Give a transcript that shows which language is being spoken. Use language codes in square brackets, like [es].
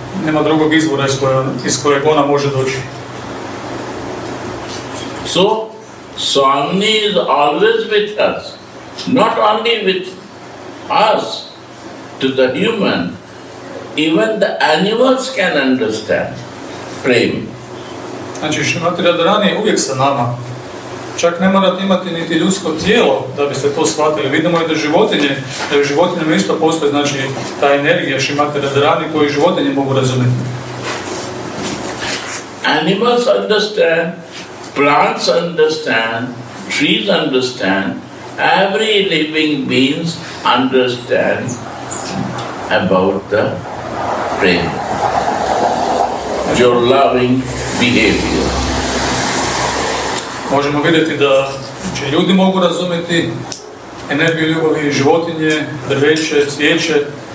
[hr] Nema drugog izvora iz kojeg ona može doći. [en] So, Swami is always with us, not only with us, to the human, even the animals can understand prema. [hr] Znači, Šrimati Radharani je uvijek sa nama. Čak ne morate imati niti ljudsko tijelo da biste to shvatili. Vidimo je da životinje, da je životinjama isto postoji, znači ta energija Šrimati Radharani koju životinje mogu razumjeti. [en] Animals understand, plants understand, trees understand, every living beings understand about the brain, your loving behavior. [hr] Možemo vidjeti da će ljudi mogu razumjeti energiju ljubavi, životinje, drveće, cvijeće.